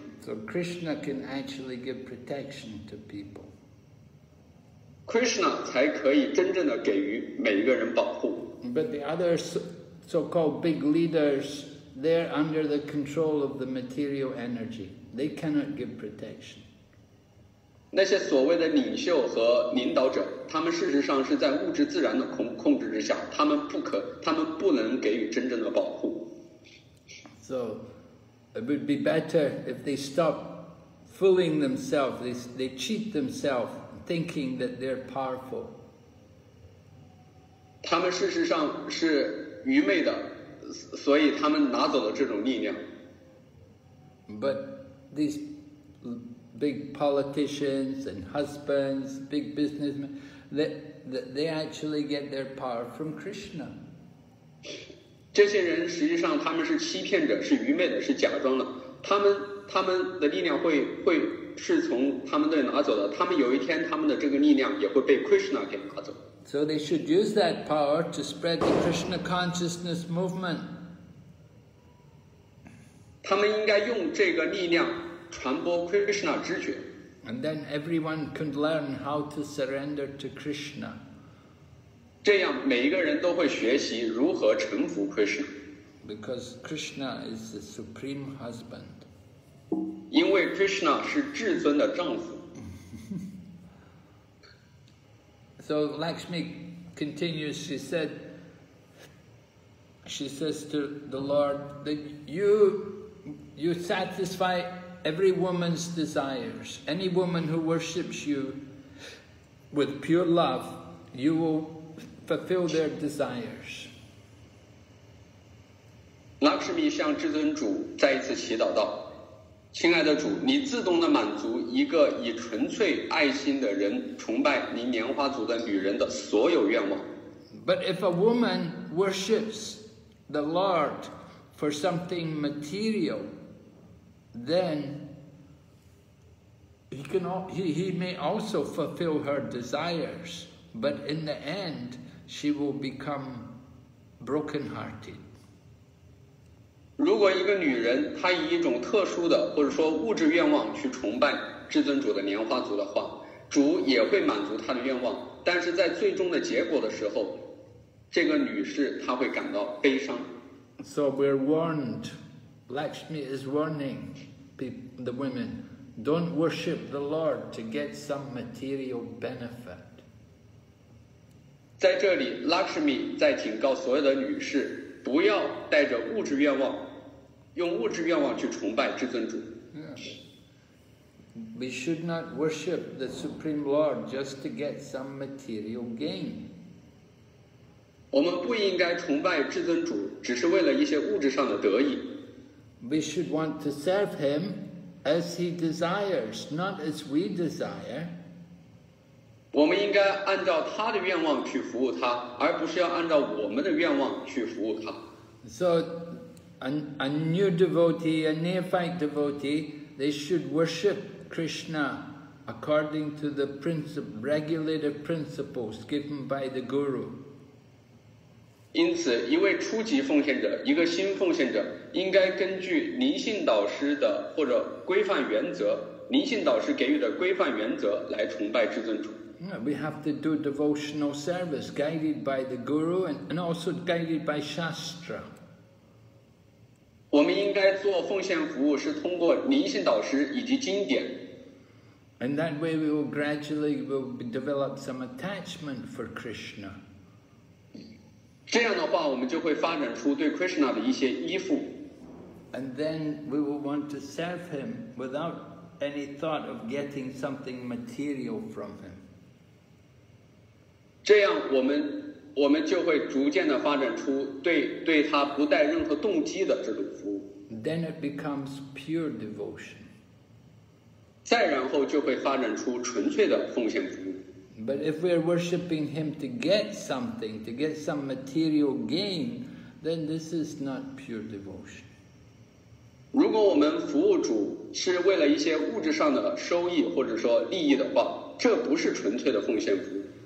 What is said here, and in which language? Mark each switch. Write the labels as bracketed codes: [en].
[en] So Krishna can actually give protection to people. [zh] Krishna 才可以真正的给予每一个人保护。 [en] But the other so-called big leaders, they're under the control of the material energy. They cannot give protection. [zh] 那些所谓的领袖和领导者，他们事实上是在物质自然的控制之下，他们不能给予真正的保护。 [en] So it would be better if they stop fooling themselves. They cheat themselves, thinking that they're powerful. [zh] 他们事实上是愚昧的，所以他们拿走了这种力量。 [en] But these big politicians and husbands, big businessmen, they actually get their power from Krishna. [zh] 这些人实际上他们是欺骗者，是愚昧的，是假装的。他们的力量会是从他们那里拿走的。他们有一天他们的这个力量也会被 Krishna 给拿走。 [en] So they should use that power to spread the Krishna consciousness movement. [zh] 他们应该用这个力量传播 Krishna 知觉。 [en] And then everyone can learn how to surrender to Krishna. [zh] 这样每一个人都会学习如何臣服 Krishna. [en] Because Krishna is the supreme husband. [zh] 因为 Krishna 是至尊的丈夫。 [en] So Lakshmi continues, she says to the Lord that you satisfy every woman's desires. Any woman who worships you with pure love, you will fulfill their desires. [zh] Lakshmi 向至尊主再一次祈祷道，亲爱的主，你自动地满足一个以纯粹爱心的人崇拜你莲花族的女人的所有愿望。 [en] But if a woman worships the Lord for something material, then he may also fulfill her desires, but in the end she will become broken-hearted. [zh] 如果一个女人她以一种特殊的或者说物质愿望去崇拜至尊主的莲花族的话，主也会满足她的愿望，但是在最终的结果的时候，这个女士她会感到悲伤。 [en] So we're warned, Lakshmi is warning the women, don't worship the Lord to get some material benefit. [zh] 在这里 Lakshmi 在警告所有的女士，不要带着物质愿望，用物质愿望去崇拜至尊主。 [en] We should not worship the Supreme Lord just to get some material gain. [zh] 我们不应该崇拜至尊主，只是为了一些物质上的得益。 [en] We should want to serve Him as He desires, not as we desire. [zh] 我们应该按照他的愿望去服务他，而不是要按照我们的愿望去服务他。 [en] So, a new devotee, a neophyte devotee, they should worship Krishna according to the regulative principles given by the Guru. [zh] 因此，一位初级奉献者，一个新奉献者，应该根据灵性导师的或者规范原则，灵性导师给予的规范原则来崇拜至尊主。 [en] We have to do devotional service guided by the Guru and also guided by Shastra. [zh] 我们应该做奉献服务是通过灵性导师以及经典。 [en] And that way we will gradually will develop some attachment for Krishna. [zh] 这样的话我们就会发展出对 Krishna 的一些依附。 [en] And then we will want to serve him without any thought of getting something material from him. [zh] 这样我们就会逐渐地发展出对他不带任何动机的这种服务。 [en] Then it becomes pure devotion. [zh] 再然后就会发展出纯粹的奉献服务。 [en] But if we are worshipping him to get something, to get some material gain, then this is not pure devotion. [zh] 如果我们服务主是为了一些物质上的收益或者说利益的话，这不是纯粹的奉献服务。